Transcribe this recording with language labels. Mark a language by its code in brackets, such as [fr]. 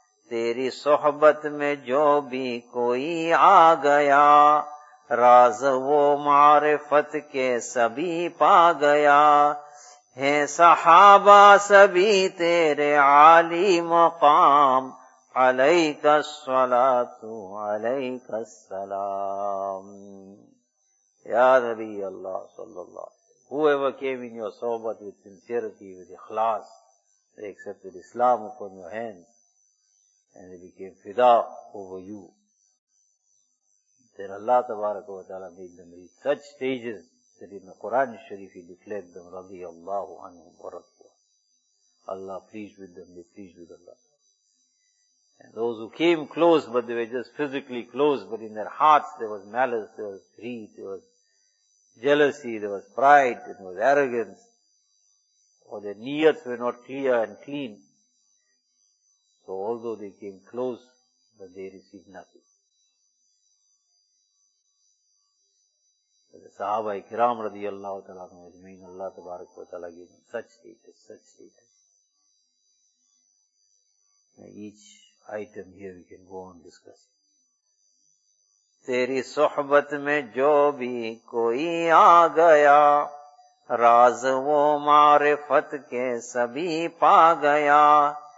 [ur] تیری صحبت میں جو بھی کوئی آ گیا, راز و معرفت کے سبھی پا گیا. ہے صحابہ سبھی تیرے عالی مقام, [ar] علیک الصلاۃ علیک السلام. [en] یا نبی اللہ صلی اللہ, whoever came in your sohbat with sincerity, with ikhlas, they accepted Islam upon your hands and they became fida over you. Then Allah tabaraka wa ta'ala made them reach such stages that in the Quran Sharif he declared them [ar] radiyallahu anhum wa radwa. [en] Allah pleased with them, they pleased with Allah. And those who came close, but they were just physically close, but in their hearts there was malice, there was greed, there was jealousy, there was pride, there was arrogance, or their niyats were not clear and clean. So although they came close, but they received nothing. The Sahaba Ikram radiallahu ta'ala was mean Allah tabarak wa ta'ala gave them such status, such status. Now each item here we can go on discussing. [ur] تیری صحبت میں جو بھی کوئی آ گیا, راز و معرفت کے سبھی پا گیا.